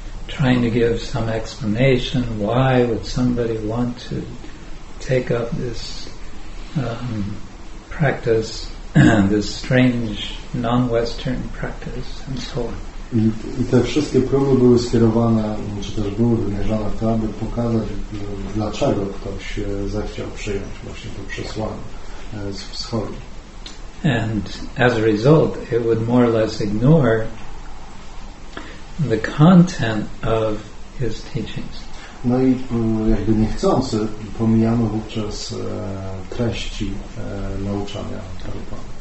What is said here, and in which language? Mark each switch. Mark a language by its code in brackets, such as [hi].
[en] Trying to give some explanation why would somebody want to take up this practice, this strange non-Western practice, and so on. [pl] I te wszystkie próby były skierowane, czy też były wymierzone w to, aby pokazać, dlaczego ktoś zechciał przyjąć właśnie to przesłanie z wschodu. [en] And as a result, it would more or less ignore the content of his teachings. [pl] No i jakby niechcący pomijamy wówczas treści nauczania Prabhupada.